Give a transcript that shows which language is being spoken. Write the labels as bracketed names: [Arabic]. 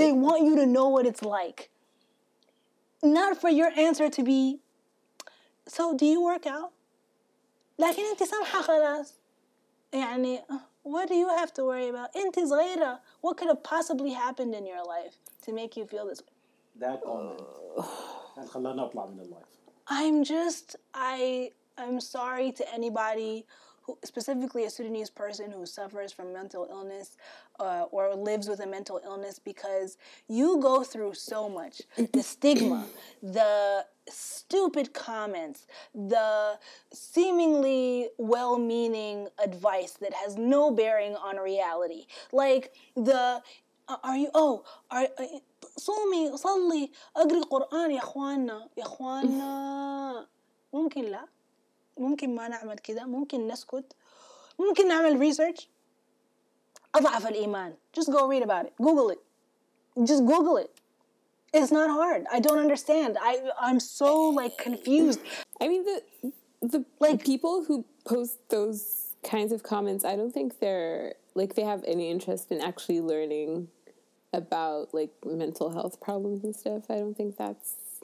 [English] they want you to know what it's like. Not for your answer to be, so do you work out? [Arabic] لكن انت سمحة خلاص. [English] يعني, what do you have to worry about? [Arabic] انت صغيرة. [English] What could have possibly happened in your life to make you feel this way? That comment. [Arabic] And خلانا أطلع من life. [English] I'm sorry to anybody, who, specifically a Sudanese person who suffers from mental illness or lives with a mental illness, because you go through so much. The stigma, the stupid comments, the seemingly well-meaning advice that has no bearing on reality. [Arabic] Like, the, صومي, صلي, أقري القرآن يا أخوانا, يا أخوانا, ممكن لا. ممكن ما نعمل كده ممكن نسكت ممكن نعمل [English] research [Arabic] أضعف الإيمان [English] just go read about it google it just google it it's not hard I don't understand I'm so like confused I mean the like people who post those kinds of comments I don't think they're like they have any interest in actually learning about like mental health problems and stuff I don't think that's